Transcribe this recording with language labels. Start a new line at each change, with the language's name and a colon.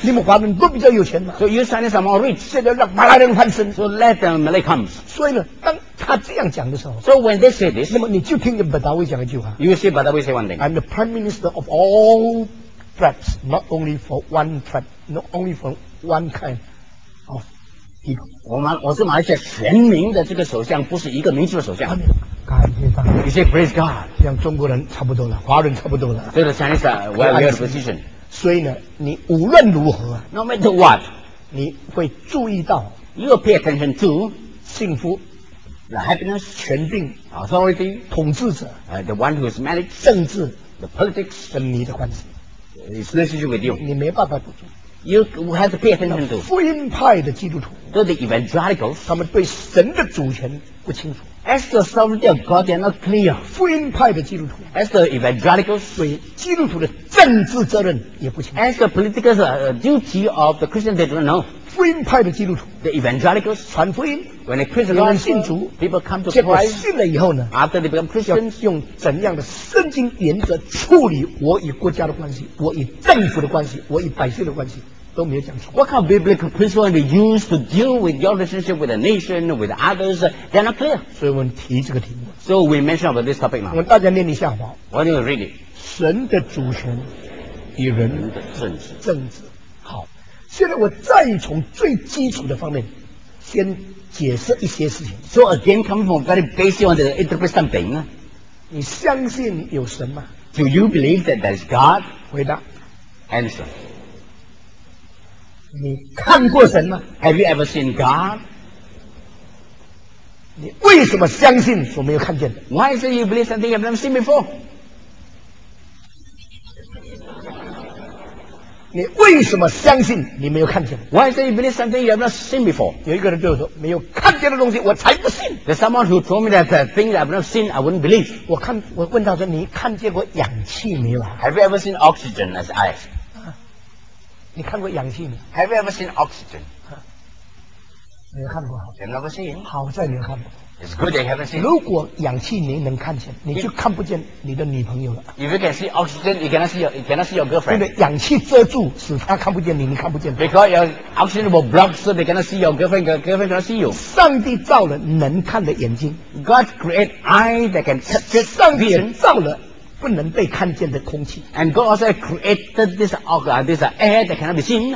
Chinese: 你们华人都比较有钱嘛
English: ？So you Chinese are more rich.
Chinese: 现在让马来人翻身。
English: So let the Malay come.
Chinese: 所以呢，当他这样讲的时候
English: ，So when they say this，
Chinese: 那么你就听见 Badawi 讲一句话。
English: You see Badawi say one thing. I'm the prime minister of all tribes, not only for one tribe, not only for one kind of people.
Chinese: 我是马来西亚全民的这个首相，不是一个民族的首相。感谢上帝。
English: You say praise God，
Chinese: 像中国人差不多了，华人差不多了。
English: So the Chinese are well in position。
Chinese: 所以呢，你无论如何
English: ，No matter what，
Chinese: 你会注意到
English: ，You will pay attention to
Chinese: 幸福
English: ，the happiness，
Chinese: 权柄
English: ，authority，
Chinese: 统治者
English: ，the one who is managed，
Chinese: 政治
English: ，the politics，
Chinese: 跟你的关系
English: ，its relationship with you，
Chinese: 你没办法捕捉。
English: You have to pay attention to
Chinese: 福音派的基督徒
English: ，to the evangelicals，
Chinese: 他们对神的主权不清楚。
English: As the sovereignty of God, they are not clear.
Chinese: 福音派的基督徒
English: ，as the evangelicals,
Chinese: 对基督徒的政治责任也不清楚。
English: As the political duty of the Christian, they don't know.
Chinese: 福音派的基督徒
English: ，the evangelicals,
Chinese: 传福音
English: ，when a Christian
Chinese: 信主
English: ，people come to Christ.
Chinese: 结果信了以后呢
English: ，after they become Christians,
Chinese: 用怎样的圣经原则处理我与国家的关系，我与政府的关系，我与百姓的关系？都没有讲出。
English: What kind of biblical principle we use to deal with your relationship with the nation, with others? They're not clear.
Chinese: 所以我们提这个题目。
English: So we mention about this topic now.
Chinese: 我大家念一下好。我念
English: read it.
Chinese: 神的主权与人的政治。好，现在我再从最基础的方面先解释一些事情。
English: So again, coming from very basic on the interpret something.
Chinese: 你相信有神吗
English: ？Do you believe that there's God?
Chinese: 回答。
English: Answer.
Chinese: 你看过神吗
English: ？Have you ever seen God？
Chinese: 你为什么相信所没有看见的
English: ？Why do you believe something you've never seen before？
Chinese: 你为什么相信你没有看见
English: ？Why do you believe something you've never seen before？
Chinese: 有一个人就说：“没有看见的东西，我才不信。
English: ”There's someone who told me that the thing I've never seen, I wouldn't believe.
Chinese: 我问他说：“你看见过氧气没有
English: ？”Have you ever seen oxygen as eyes？
Chinese: 你看过氧气吗
English: ？Have you ever seen oxygen？
Chinese: 没有看过。
English: You've never seen。
Chinese: 好在没有看过。
English: It's good that you haven't seen。
Chinese: 如果氧气你能看见，你就看不见你的女朋友了。
English: If you can see oxygen, you cannot see your girlfriend。
Chinese: 因为氧气遮住，使她看不见你，你看不见。
English: Because your oxygen will block, so they cannot see your girlfriend. Your girlfriend cannot see you。
Chinese: 上帝造了能看的眼睛。
English: God created eyes that can touch。
Chinese: 上帝造了。不能被看见的空气
English: ，and God also created this air that cannot be seen。